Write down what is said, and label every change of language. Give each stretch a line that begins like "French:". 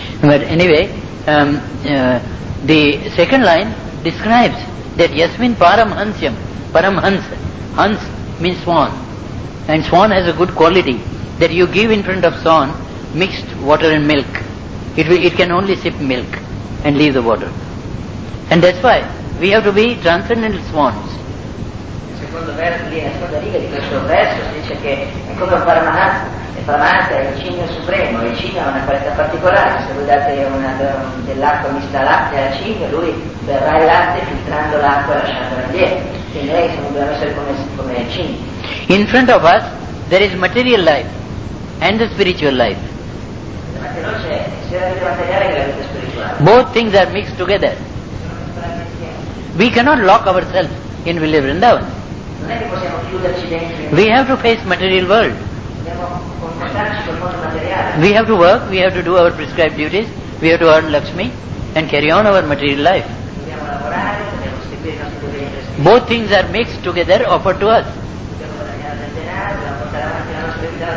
English: But anyway, the second line describes that Yasmin Paramhansyam, Paramhans, Hans means swan, and swan has a good quality that you give in front of swan mixed water and milk. It can only sip milk and leave the water. And that's why we have to be transcendental swans.
Italian: Secondo verso, lì nella seconda riga di questo verso si dice che è come un paramahansa, il paramahansa è il cigno supremo, il cigno ha una qualità particolare, se voi date dell'acqua mista a latte al cigno, lui berrà il latte filtrando l'acqua e lasciandola indietro, quindi lei sono, dobbiamo essere come il cigno.
English: In front of us there is material life and the spiritual life.
Italian: Davanti a noi c'è sia la vita materiale che la vita spirituale.
English: Both things are mixed together. We cannot lock ourselves in Vrindavan.
Italian: Non è che possiamo chiuderci dentro.
English: We have to face material world.
Italian: Dobbiamo confrontarci col mondo materiale.
English: We have to work, we have to do our prescribed duties, we have to earn Lakshmi and carry on our material life.
Italian: Dobbiamo lavorare, dobbiamo seguire i nostri doveri prescritti.
English: Both things are mixed together, offered to us.
Italian: Dobbiamo guadagnare del denaro, dobbiamo portare avanti la nostra vita.